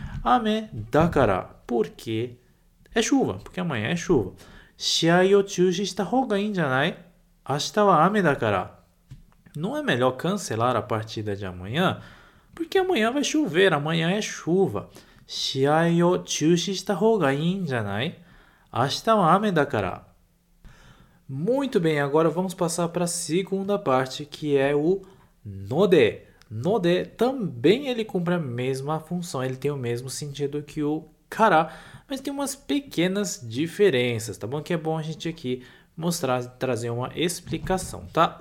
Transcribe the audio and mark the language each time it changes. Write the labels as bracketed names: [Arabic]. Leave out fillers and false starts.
[Japanese] 雨だから、 [Portuguese] porque é chuva、porque amanhã é chuva。 [Japanese] 試合を中止した方がいいんじゃない？明日は雨だから。 [Portuguese] Não é melhor cancelar a partida de amanhã? Porque amanhã vai chover, amanhã é chuva。 [Japanese] 試合を中止した方がいいんじゃない？ [Portuguese] Muito bem, agora vamos passar para a segunda parte, que é o ので. ので também ele cumpre a mesma função, ele tem o mesmo sentido que o から, mas tem umas pequenas diferenças, tá bom? Que é bom a gente aqui mostrar, trazer uma explicação, tá?